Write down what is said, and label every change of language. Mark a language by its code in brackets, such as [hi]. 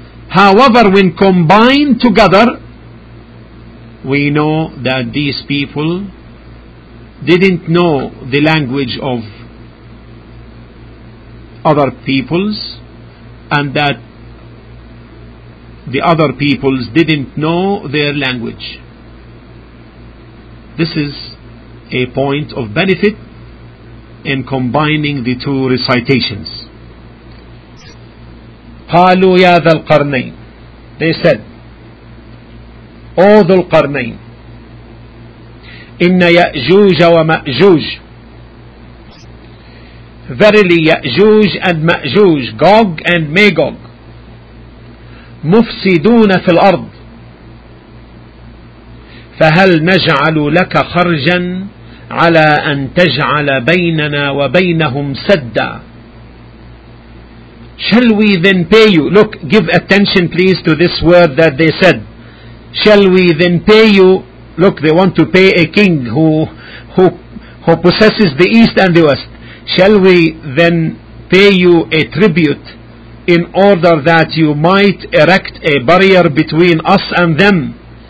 [en] However, when combined together, we know that these people didn't know the language of other peoples, and that the other peoples didn't know their language. This is a point of benefit in combining the two recitations. [ar] قالوا يا ذا القرنين. [en] They said, O ذو القرنين, [ar] إن يأجوج ومأجوج. [en] verily Ya'juj and Ma'juj, Gog and Magog, [ar] مفسدون في الأرض فهل نجعل لك خرجا على أن تجعل بيننا وبينهم سدا. [en] Shall we then pay you? Look, give attention please to this word that they said. Shall we then pay you? Look, they want to pay a king who possesses the east and the west. Shall we then pay you a tribute in order that you might erect a barrier between us and them?